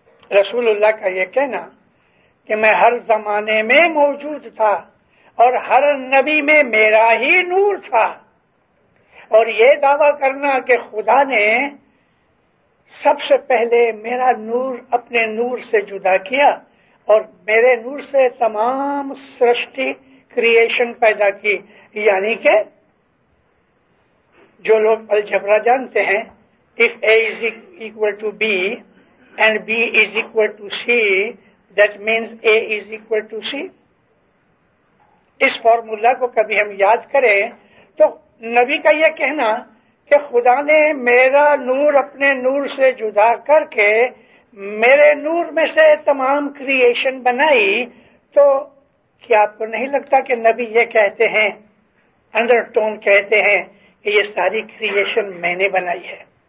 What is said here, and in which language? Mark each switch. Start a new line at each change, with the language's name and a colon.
Urdu: رسول اللہ کا یہ کہنا کہ میں ہر زمانے میں موجود تھا اور ہر نبی میں میرا ہی نور تھا, اور یہ دعویٰ کرنا کہ خدا نے سب سے پہلے میرا نور اپنے نور سے جدا کیا اور میرے نور سے تمام سرشتی کریشن پیدا کی. یعنی کہ جو لوگ الجبرا جانتے ہیں,
English: if a is equal to b and b is equal to c, that means a is equal to c.
Urdu: اس formula کو کبھی ہم یاد کریں, تو نبی کا یہ کہنا کہ خدا نے میرا نور اپنے نور سے جدا کر کے میرے نور میں سے تمام کریشن بنائی, تو کیا آپ کو نہیں لگتا کہ نبی یہ کہتے ہیں, انڈر ٹون کہتے ہیں کہ یہ ساری کریشن میں نے بنائی ہے؟